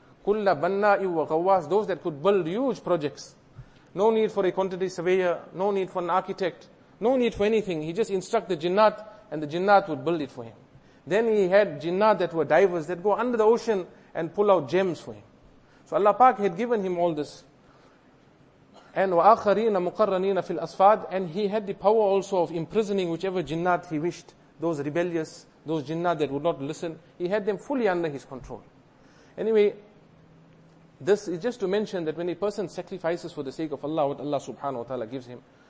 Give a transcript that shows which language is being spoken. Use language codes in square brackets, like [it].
[ar] Kulla banna'i wa ghawas, [en] those that could build huge projects. No need for a quantity surveyor, no need for an architect, no need for anything. He just instructed the jinnat and the jinnat would build it for him. Then he had jinnat that were divers that go under the ocean and pull out gems for him. So Allah Pak had given him all this. [ar] And وَآخَرِينَ مُقَرَّنِينَ فِي الْأَصْفَادِ. [en] And he had the power also of imprisoning whichever jinnat he wished, those rebellious, those jinnat that would not listen. He had them fully under his control. Anyway, this is just to mention that when a person sacrifices for the sake of Allah, what Allah subhanahu wa ta'ala gives him.